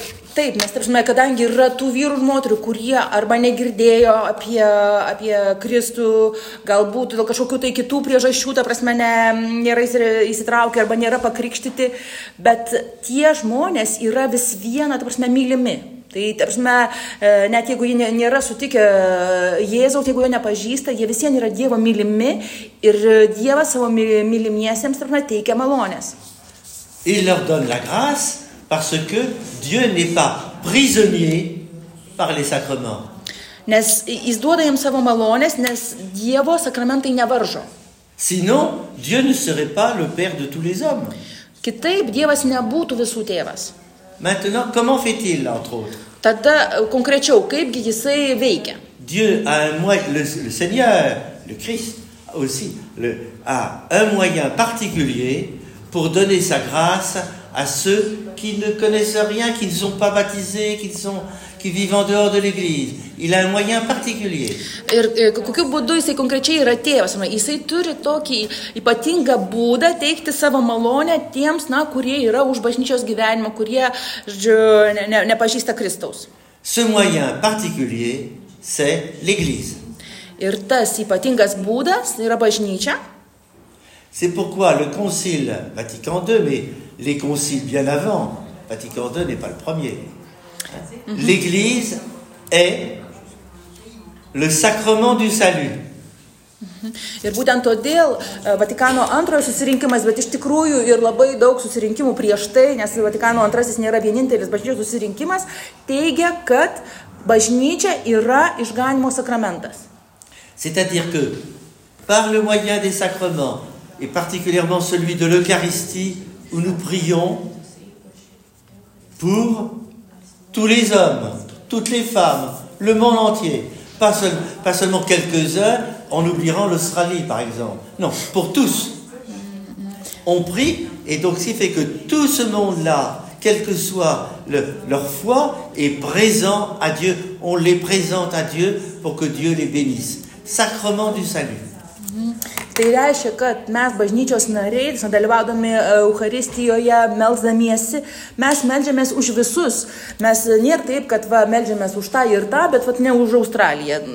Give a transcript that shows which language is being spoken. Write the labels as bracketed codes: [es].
[lt] Taip, mes taip žinome, kadangi yra tų vyrų ir moterų, kurie arba negirdėjo apie Kristų, galbūt dėl kažkokių tai kitų priežasčių, ta prasme, nėra įsitraukę arba nėra pakrikštyti, bet tie žmonės yra vis viena, ta prasme, mylimi. Tai, ta prasme, net jeigu jie nėra sutikę Jėzaus, jeigu jo nepažįsta, jie visien yra Dievo mylimi ir Dievas savo mylimiesiems, ta prasme, teikia malonės. [fr] Il leur donne la grâce. Parce que Dieu n'est pas prisonnier par les sacrements. [lt] Nes jis duoda jiems savo malonės, nes Dievo sakramentai nevaržo. [fr] Sinon, Dieu ne serait pas le père de tous les hommes. [lt] Kitaip Dievas nebūtų visų tėvas. [fr] Maintenant, comment fait-il, entre autres? [lt] Tada, konkrečiau, kaipgi jisai veikia? [fr] Dieu a un moyen, le Seigneur, le Christ aussi, a un moyen particulier pour donner sa grâce à ceux qui ne connaissent rien, qui ne sont pas baptisés, qui vivent en dehors de l'Église. Il a un moyen particulier. [lt] Ir kokiu būdu jisai konkrečiai yra tėvas? Jisai turi tokį ypatingą būdą teikti savo malonę tiems, na, kurie yra už bažnyčios gyvenimo, kurie, žodžiu, nepažįsta Kristaus. [fr] Ce moyen particulier, c'est l'Église. [lt] Ir tas ypatingas būdas yra bažnyčia. [fr] C'est pourquoi le Concile Vatican II, mais les conciles bien avant, Vatican II n'est pas le premier. L'Église est le sacrement du salut. [lt] Ir būtent todėl Vatikano antrojo susirinkimas, bet iš tikrųjų ir labai daug susirinkimų prieš tai, nes Vatikano antrasis nėra vienintelis bažnyčios susirinkimas, teigia, kad bažnyčia yra išganimo sakramentas. [fr] C'est-à-dire que par le moyen des sacrements, et particulièrement celui de l'Eucharistie, où nous prions pour tous les hommes, toutes les femmes, le monde entier. Pas seulement quelques-uns, en oubliant l'Australie, par exemple. Non, pour tous. On prie, et donc ce qui fait que tout ce monde-là, quelle que soit leur foi, est présent à Dieu. On les présente à Dieu pour que Dieu les bénisse. Sacrement du salut. [lt] Tai reiškia, kad mes bažnyčios nariai, dalyvaudami Eucharistijoje, melzdamiesi, mes meldžiamės už visus. Mes nėra taip, kad va, meldžiamės už tą ir tą, bet va, ne už Australiją.